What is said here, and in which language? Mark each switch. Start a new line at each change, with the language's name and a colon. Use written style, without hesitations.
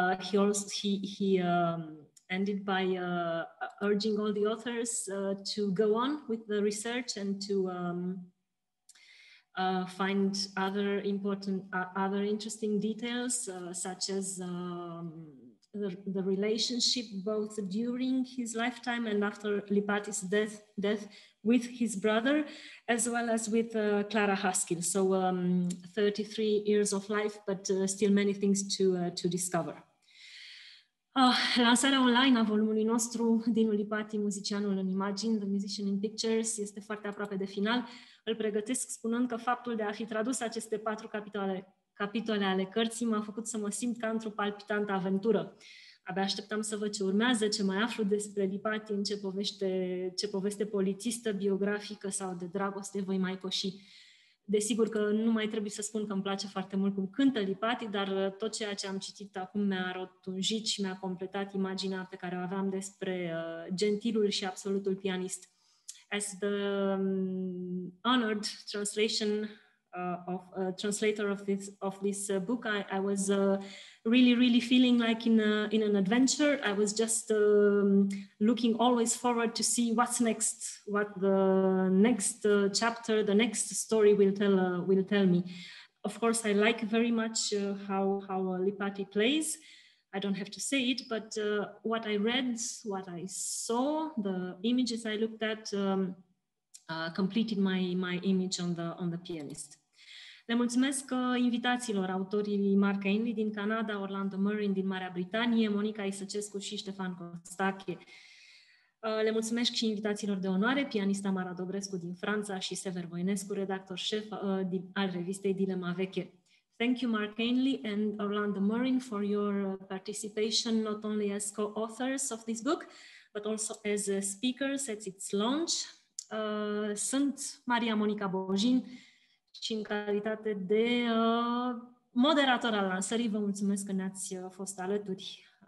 English: He ended by urging all the authors to go on with the research and to find other important, other interesting details, such as the relationship both during his lifetime and after Lupati's death with his brother, as well as with Clara Haskell. So 33 years of life, but still many things to discover.
Romanian: Lansarea online a volumului nostru, Dinu Lipati, muzicianul în imagini, The Musician in Pictures, este foarte aproape de final. Îl pregătesc spunând că faptul de a fi tradus aceste patru capitole ale cărții m-a făcut să mă simt ca într-o palpitantă aventură. Abia așteptam să văd ce urmează, ce mai aflu despre Lipati, în ce poveste polițistă, biografică sau de dragoste voi mai poși. Desigur că nu mai trebuie să spun că îmi place foarte mult cum cântă Lipati, dar tot ceea ce am citit acum mi-a rotunjit și mi-a completat imaginea pe care o aveam despre gentilul și absolutul pianist.
English: As the honored translation of translator of this book, I was really, really feeling like in an adventure. I was just looking always forward to see what's next, what the next chapter, the next story will tell me. Of course, I like very much how Lipati plays. I don't have to say it, but what I read, what I saw, the images I looked at completed my image on the pianist.
Romanian: Le mulțumesc invitațiilor, autorii Mark Ainley din Canada, Orlando Murin din Marea Britanie, Monica Isăcescu și Ștefan Costache. Le mulțumesc și invitațiilor de onoare, pianista Mara Dobrescu din Franța și Sever Voinescu, redactor șef al revistei Dilema Veche.
English: Thank you, Mark Ainley and Orlando Murin, for your participation not only as co-authors of this book, but also as speakers at its launch.
Romanian: Sunt Maria Monica Bojin și în calitate de moderator al lansării, vă mulțumesc că ne-ați fost alături.